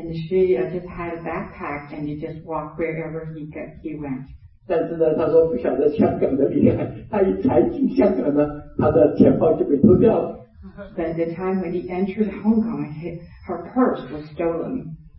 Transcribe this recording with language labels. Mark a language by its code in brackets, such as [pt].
[en] And she just had a backpack and he just walked wherever he went. [zh] 但是呢，他说不晓得香港的厉害，他一才进香港呢，他的钱包就被偷掉了。 [en] By the time when he entered Hong Kong, her purse was stolen.